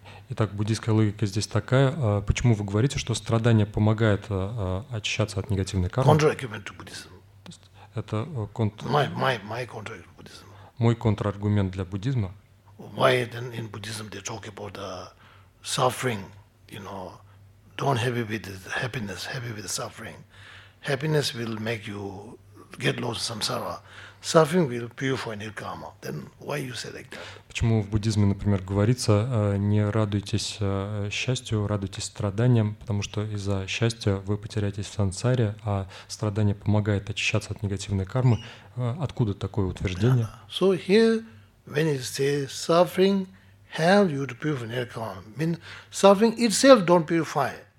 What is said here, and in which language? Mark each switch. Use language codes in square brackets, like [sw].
[ru] Итак, буддийская логика здесь такая. Почему вы говорите, что страдание помогает очищаться от негативной кармы? [en] Counter-argument to Buddhism. [ru] Это [en] my counter-argument to Buddhism. [ru] Мой контраргумент для буддизма. [en] Why then in Buddhism they talk about the suffering, you know, don't happy with the happiness, happy with the suffering. Happiness will make you get lost in samsara. Suffering will purify nirkama. Then why you say like that? [ru] Почему в буддизме, например, говорится, не радуйтесь счастью, радуйтесь страданиям, потому что из-за счастья вы потеряетесь в сансаре, а страдание помогает очищаться от негативной кармы. Откуда такое утверждение? [en] Yeah. So here, when you say suffering helps you to purify nirkama, mean suffering itself don't purify.